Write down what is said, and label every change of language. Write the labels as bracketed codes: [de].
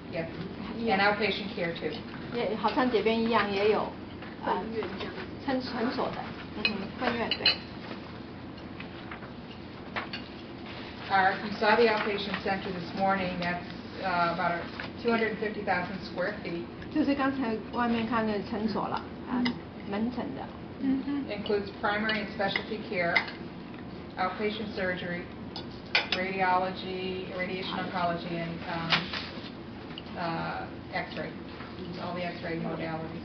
[en] Yes. And outpatient care too. [zh] 也好像这边一样也有。分院这样子。诊所的，分院对。 [en] You saw the outpatient center this morning. That's about 250,000 square feet. [zh] 就是刚才外面看的诊所了，门诊的。 [en] Includes primary and specialty care, outpatient surgery, radiology, radiation oncology, and X-ray. All the X-ray modalities.